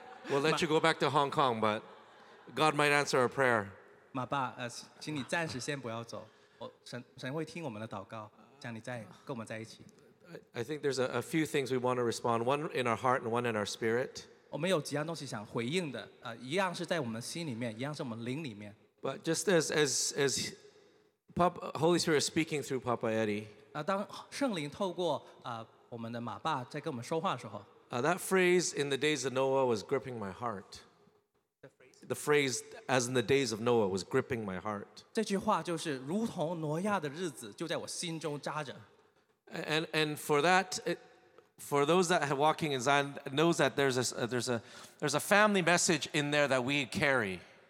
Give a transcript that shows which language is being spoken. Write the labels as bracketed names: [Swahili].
[English] We'll let you go back to Hong Kong, but God might answer our prayer. [Chinese] 妈爸, 请你暂时先不要走, 神会听我们的祷告, 这样你再跟我们在一起。 [English] I think there's a few things we want to respond, one in our heart and one in our spirit. [Chinese] 我们有几样东西想回应的, 一样是在我们心里面, 一样是我们灵里面。 [English] But just as Papa, Holy Spirit is speaking through Papa Eddie, [Chinese] 当圣灵透过, 我们的妈爸在跟我们说话的时候, [English] That phrase, in the days of Noah, was gripping my heart. The phrase, as in the days of Noah, was gripping my heart. [Chinese] 这句话就是如同挪亚的日子就在我心中扎着。 [English] And for that, for those that are walking in Zion, knows that there's a family message in there that we carry.